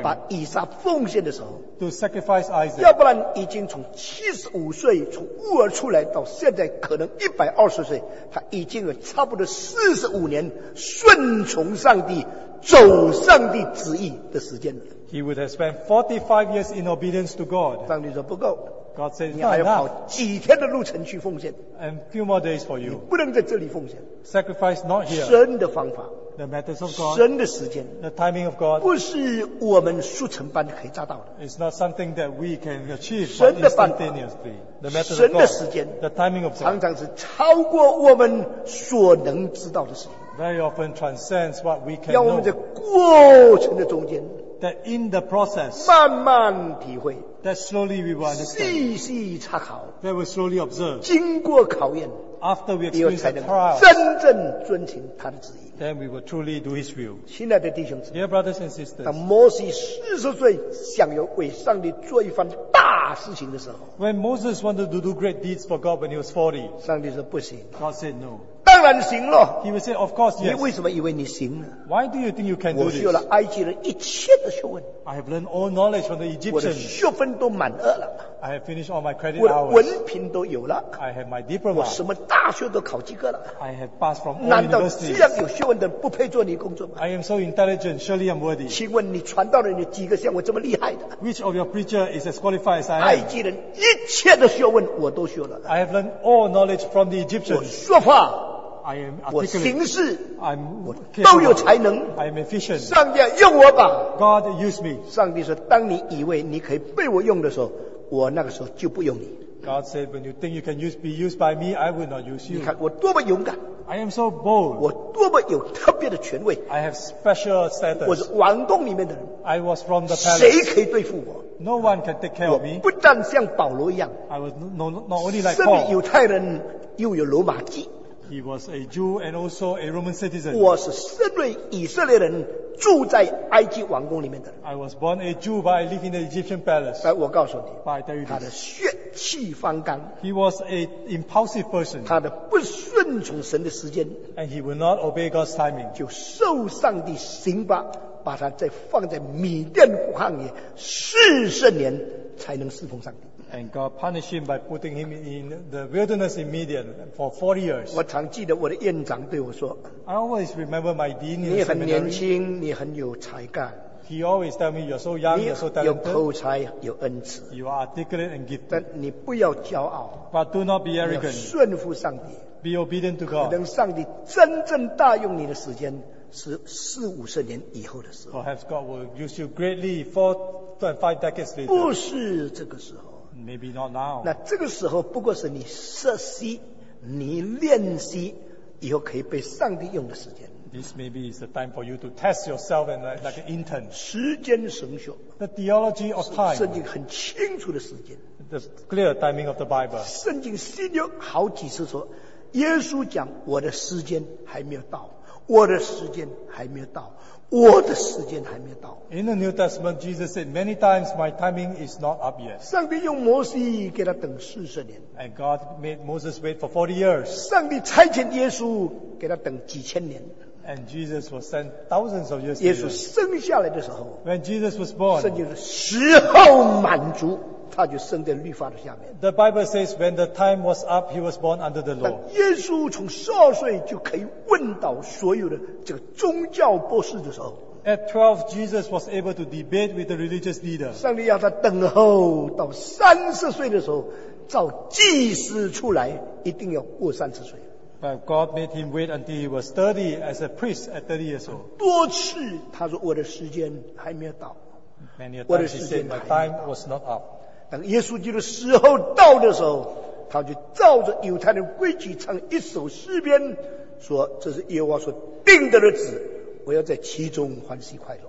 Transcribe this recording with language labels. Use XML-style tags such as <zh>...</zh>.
<zh>把以撒奉献的时候</zh> <en>to sacrifice Isaac,</en> <zh>亚伯拉罕已经从75岁从乌尔出来到现在可能120岁他已经有差不多45年顺从上帝走上帝旨意的时间。</zh> <en>He would have spent 45 years in obedience to God.</en> <zh>上帝说不够。</zh> <en>God said,</en> <zh>你还要跑几天的路程去奉献。</zh> <en>And few more days for you.</en> <zh>你不能在这里奉献。</zh> <en>Sacrifice not here.</en> <zh>神的方法。</zh> <en>The methods of God.</en> <zh>神的时间。</zh> <en>The timing of God.</en> <zh>不是我们速成班可以达到的。</zh> <en>It's not something that we can achieve</en> <zh>神的方法</zh> <en>instantaneously. The method</en> <zh>神的时间</zh> <en>of God. The timing of God.</en> <zh>常常是超过我们所能知道的事情。</zh> <en>Very often transcends what we can know.</en> <zh>要我们在过程的中间</zh> <en>，that in the process，</en> <zh>慢慢体会</zh> <en>，that slowly we will understand，</en> <zh>细细查考</zh> <en>，that we slowly observe，</en> <zh>经过考验</zh> <en>after we experience the trials,</en> <zh>真正遵行他的旨意。</zh> <en>Then we will truly do His will.</en> <zh>亲爱的弟兄姊妹，</zh> <en>dear brothers and sisters,</en> <zh>当摩西40岁想要为上帝做一番大事情的时候，</zh> <en>when Moses wanted to do great deeds for God when he was 40,</en> <zh>上帝说不行。</zh> <en>God said no.</en> <zh>当然行了。</zh> <en>He will say, of course, yes.</en> <zh>你为什么以为你行呢？</zh> <en>Why do you think you can do this?</en> <zh>我学了埃及人一切的学问。</zh> <en>I have learned all knowledge from the Egyptians.</en> <zh>我的学分都满额了。</zh> <en>I have finished all my credit</en> <zh>hours. 我的文凭都有了。</zh> <en>I have my diploma.</en> <zh>我什么大学都考及格了。</zh> <en>I have passed from all universities.</en> <zh>难道这样有学问的人不配做你工作吗？</zh> <en>I am so intelligent, surely I'm worthy.</en> <zh>请问你传道人有几个像我这么厉害的？</zh> <en>Which of your preacher is as qualified as I am?</en> <zh>埃及人一切的学问我都学了。</zh> <en>I have learned all knowledge from the Egyptians.</en> <zh>我说话。</zh> <en>I am</en> <zh>我行事</zh> <en>I'm</en> <zh>都有才能</zh> <en>I'm efficient.</en> <zh>上帝用我吧</zh> <en>God use me.</en> <zh>上帝说当你以为你可以被我用的时候我那个时候就不用你</zh> <en>God said when you think you can use, be used by me I will not use you.</en> <zh>你看我多么勇敢</zh> <en>I am so bold.</en> <zh>我多么有特别的权威</zh> <en>I have special status.</en> <zh>我是王宫里面的人</zh> <en>I was from the palace.</en> <zh>谁可以对付我？</zh> <en>No one can take care of me.</en> <zh>我不但像保罗一样</zh> <en>I was not only like Paul.</en> <zh>身为犹太人又有罗马籍</zh> <en>He was a Jew and also a Roman citizen.</en> <zh>我是身为以色列人住在埃及王宫里面的人。</zh> <en>I was born a Jew but I live in the Egyptian palace.</en> <zh>我告诉你，</zh> <en>but I tell you this,</en> <zh>他的血气方刚。</zh> <en>He was an impulsive person.</en> <zh>他的不顺从神的时间。</zh> <en>And he would not obey God's timing.</en> <zh>就受上帝刑罚，把他再放在米甸旷野40年才能侍奉上帝。</zh> <en>And God punished him by putting him in the wilderness in Midian for 40 years.</en> <zh>我常记得我的院长对我说，</zh> <en>I always remember my dean in the seminary.</en> <zh>你很年轻，你很有才干。</zh> <en>He always tell me you're so young, you're so talented.</en> <zh>你有口才，有恩赐。</zh> <en>You are articulate and gifted.</en> <zh>但你不要骄傲。</zh> <en>But do not be arrogant.</en> <zh>你要顺服上帝。</zh> <en>Be obedient to God.</en> <zh>可能上帝真正大用你的时间是40-50年以后的事。</zh> <en>Perhaps God will use you greatly 4-5 decades later.</en> <zh>不是这个时候。</zh> <en>Maybe not now.</en> <zh>那这个时候不过是你设习你练习以后可以被上帝用的时间。</zh> <en>This maybe is the time for you to test yourself and like an intern.</en> <zh>时间神学。</zh> <en>The theology of time.</en> <zh>圣经很清楚的时间。</zh> <en>The clear timing of the Bible.</en> <zh>圣经新约好几次说，耶稣讲我的时间还没有到，我的时间还没有到。我的时间还没到。</zh> <en>In the New Testament, Jesus said many times, "My timing is not up yet."</en> <zh>上帝用摩西给他等40年。</zh> <en>And God made Moses wait for 40 years.</en> <zh>上帝差遣耶稣给他等几千年。</zh> <en>And Jesus was sent thousands of years.</en> <zh>耶稣生下来的时候</zh> <en>，When Jesus was born,</en> <zh>圣经时候满足，他就生在律法的下面。</zh> <en>The Bible says, "When the time was up, he was born under the law."</en> <zh>耶稣从12岁就可以问倒所有的这个宗教博士的时候。</zh> <en>At 12, Jesus was able to debate with the religious leader.</en> <zh>上帝要他等候到30岁的时候，召祭司出来，一定要过30岁。</zh> <en>But God made him wait until he was 30 as a priest at 30 years old.</en> <zh>多次他说我的时间还没有到。</zh> <en>Many a times he said my time was not up.</en> <zh>等耶稣基督的时候到的时候，他就照着犹太人规矩唱一首诗篇，说这是耶和华所定的日子，我要在其中欢喜快乐。</zh>